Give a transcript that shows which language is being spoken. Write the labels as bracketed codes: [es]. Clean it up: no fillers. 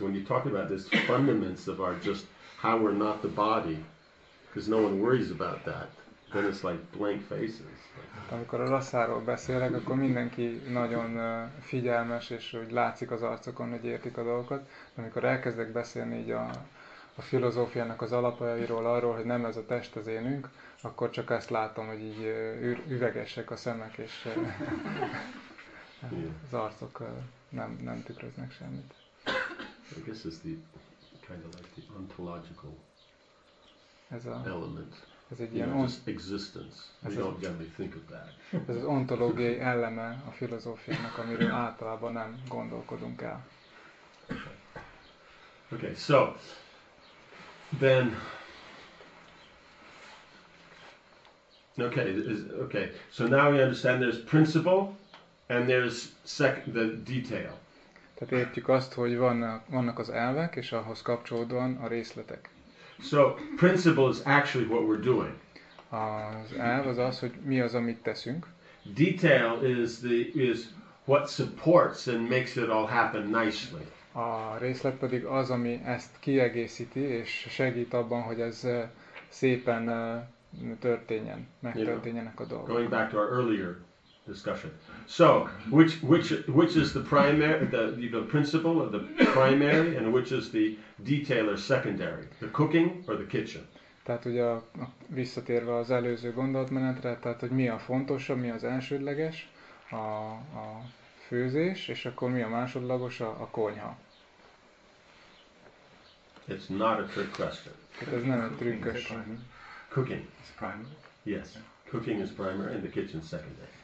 [en] When you talk about this fundaments of our just how we're not the body, because no one worries about that, then it's like blank faces. [hu] Amikor a rasszáról beszélek, akkor mindenki nagyon figyelmes, és hogy látszik az arcokon, hogy értik a dolgokat. Amikor elkezdek beszélni így a filozófiának az alapjairól, arról, hogy nem ez a test az énünk, akkor csak ezt látom, hogy így üvegesek a szemek, és az arcok nem tükröznek semmit. [en] I guess it's the kind of like the ontological element. [hu] Ez egy ilyen [en] know, just existence. We don't generally think of that. [hu] Ez az ontológiai eleme a filozófiának, amiről általában nem gondolkodunk el. [en] Okay, so then, okay. So now we understand there's principle and there's the detail. [hu] Tehát értjük azt, hogy vannak az elvek és ahhoz kapcsolódóan a részletek. [en] So principle is actually what we're doing. [hu] Az elv az az, hogy mi az, amit teszünk. [en] Detail is what supports and makes it all happen nicely. [hu] A részlet pedig az, ami ezt kiegészíti és segít abban, hogy ez szépen történjen, megtörténjenek a dolgok. [en] Going back to our earlier discussion. So which is the primary, the principle or the primary, and which is the detail or secondary, the cooking or the kitchen? [hu] Tehát ugye visszatérve az előző gondolatmenetre, tehát hogy mi a fontosabb, mi az elsődleges, a főzés, és akkor mi a másodlagos, a konyha. [en] It's not a trick question. [hu] Tehát ez nem egy trükkös. [en] Cooking is primary. Yes, cooking is primary and the kitchen secondary.